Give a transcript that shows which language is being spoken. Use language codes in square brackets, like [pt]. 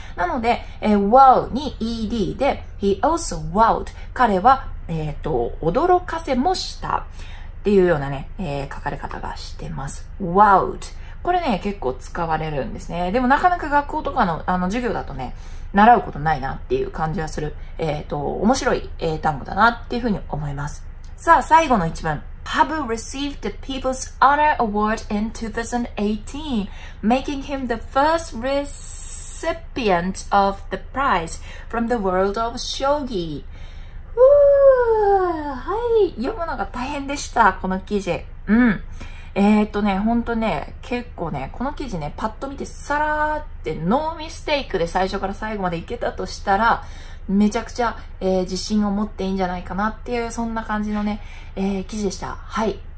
[ja] なので、wow に ed で、 [en] he also wowed、 [ja] 彼は、驚かせもしたっていうようなね、書かれ方がしてます。wowed。これね、結構使われるんですね。でもなかなか学校とかの、授業だとね、習うことないなっていう感じはする。面白い英単語だなっていうふうに思います。さあ、最後の一文。 [en] Habu received the People's Honor Award in 2018, making him the first recipient of the prize from the world of shogi. [ja] はい。読むのが大変でした、この記事。うん。ね、ほんとね、結構ね、この記事ね、パッと見てさらーってノーミステイクで最初から最後までいけたとしたら、めちゃくちゃ、自信を持っていいんじゃないかなっていう、そんな感じのね、記事でした。はい。